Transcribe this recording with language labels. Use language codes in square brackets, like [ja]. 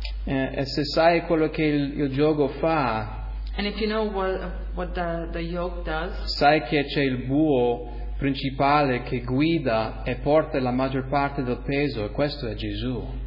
[it] E se sai quello che il giogo fa. [en] And if you know what the yoke does. [it] Sai che c'è il buo principale che guida e porta la maggior parte del peso, e questo è Gesù.